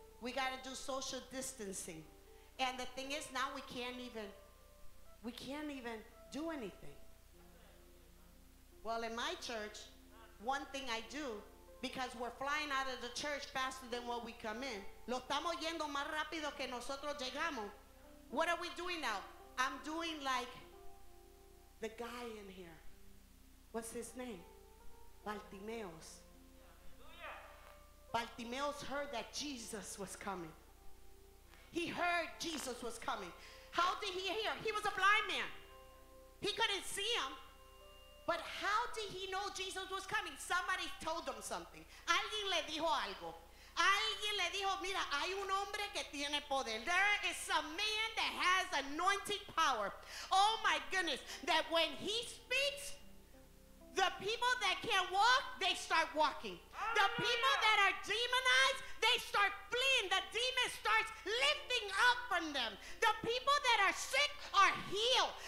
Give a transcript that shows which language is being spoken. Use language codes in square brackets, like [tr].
[en] We got to do social distancing. And the thing is, now we can't even do anything. Well, in my church, one thing I do, because we're flying out of the church faster than what we come in. [es] Lo estamos yendo más rápido que nosotros llegamos. [en] What are we doing now? I'm doing like the guy in here. What's his name? Bartimaeus. Bartimaeus heard that Jesus was coming. He heard Jesus was coming. How did he hear? He was a blind man. He couldn't see him. But how did he know Jesus was coming? Somebody told him something. [es] Alguien le dijo algo. Alguien le dijo, mira, hay un hombre que tiene poder. [en] There is a man that has anointing power. Oh my goodness. That when he speaks, the people that can't walk, they start walking. The people that are demonized, they start fleeing. The demon starts lifting up from them. The people that are sick are healed.